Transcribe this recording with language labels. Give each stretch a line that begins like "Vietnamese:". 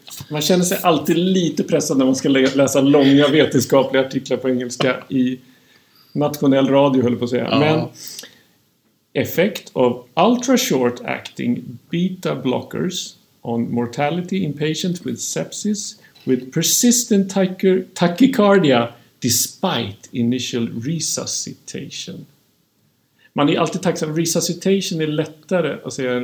Swedish: Man känner sig alltid lite pressad när man ska läsa långa vetenskapliga artiklar på engelska i nationell radio, höll på att säga. Ja. Men
English: effect of ultra short acting beta blockers on mortality in patients with sepsis with persistent tachycardia despite initial resuscitation.
Swedish: Man är alltid tacksam. Resuscitation är lättare att säga än